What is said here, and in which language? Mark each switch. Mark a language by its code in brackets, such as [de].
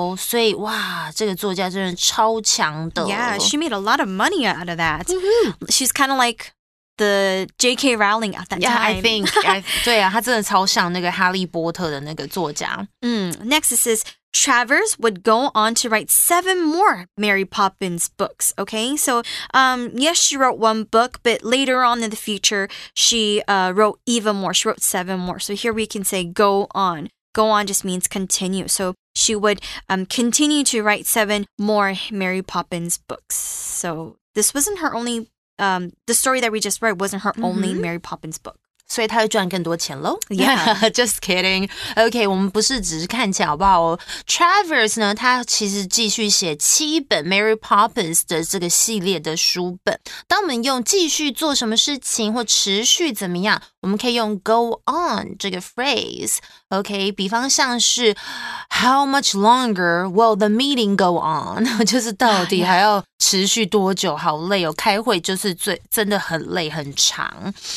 [zh] 所以哇，这个作家真的超强的。 [en] Yeah, she made a lot of money out of that. Mm-hmm. She's kind of like... The J.K. Rowling at that time. Yeah, I think. [zh] 对啊，他真的超像那个哈利波特的那个作家。 [en] Next it says, Travers would go on to write 7 more Mary Poppins books. Okay, so yes, she wrote one book, but later on in the future, she wrote even more. She wrote 7 more. So here we can say go on. Go on just means continue. So she would continue to write 7 more Mary Poppins books. So this wasn't her only... the story that we just read wasn't her only Mary Poppins book. [zh] 所以她会赚更多钱咯。 [en] Yeah. Just kidding. Okay, [zh] 我们不是只是看起来好不好哦。 Travers 呢他其实继续写7本 Mary Poppins 的这个系列的书本。当我们用继续做什么事情或持续怎么样我们可以用 go on 这个 phrase. [en] Okay, [zh] 比方像是 [en] How much longer will the meeting go on? [zh] 就是到底还要持续多久好累哦开会就是最真的很累很长。